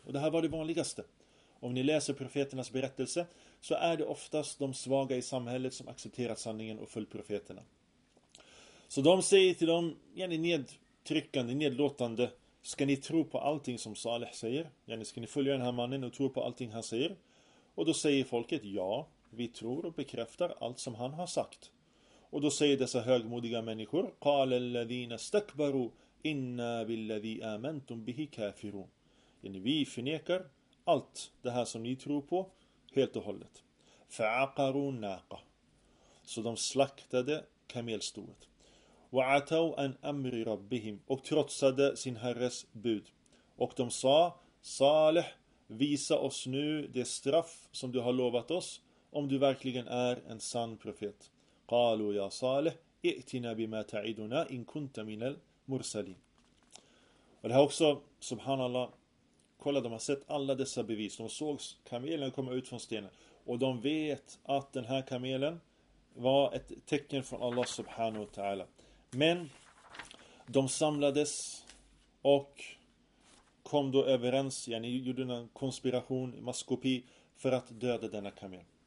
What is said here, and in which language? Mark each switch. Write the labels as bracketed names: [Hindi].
[Swedish] Och det här var det vanligaste. Om ni läser profeternas berättelse så är det oftast de svaga i samhället som accepterar sanningen och följer profeterna. Så de säger till dem, yani nedtryckande, nedlåtande, ska ni tro på allting som Salih säger? Yani ska ni följa den här mannen och tro på allting han säger? Och då säger folket, ja, vi tror och bekräftar allt som han har sagt. Och då säger dessa högmodiga människor, [Arabic] قال الذين استكبروا إنا بالذي آمنتم به كافرون. [Swedish] Yani vi förnekar allt det här som ni tror på helt och hållet. [Arabic] فعقروا ناقة. [Swedish] Så de slaktade kamelstoet. [Arabic] وعتوا عن امر ربهم, [Swedish] och trotsade sin herres bud. Och de sa, Salih, visa oss nu det straff som du har lovat oss om du verkligen är en sann profet. [Arabic] قالوا يا صالح ائتنا بما تعدنا ان كنت من المرسلين. [Swedish] Och det här också, subhanallah, kolla, de har sett alla dessa bevis. De såg kamelen komma ut från stenen och de vet att den här kamelen var ett tecken från Allah subhanahu wa ta'ala. Men de samlades och kom då överens, yani gjorde en konspiration, maskopi, för att döda denna kamel.